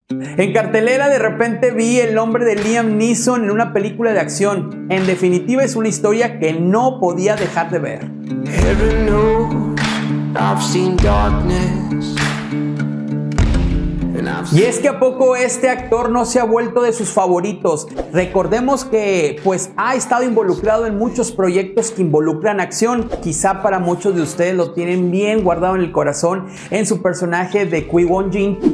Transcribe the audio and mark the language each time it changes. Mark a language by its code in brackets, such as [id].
[es] En cartelera de repente vi el nombre de Liam Neeson en una película de acción. En definitiva es una historia que no podía dejar de ver. [en] Heaven knows I've seen darkness. [es] Y es que a poco este actor no se ha vuelto de sus favoritos. Recordemos que pues ha estado involucrado en muchos proyectos que involucran acción. Quizá para muchos de ustedes lo tienen bien guardado en el corazón en su personaje de Qui-Gon Jinn.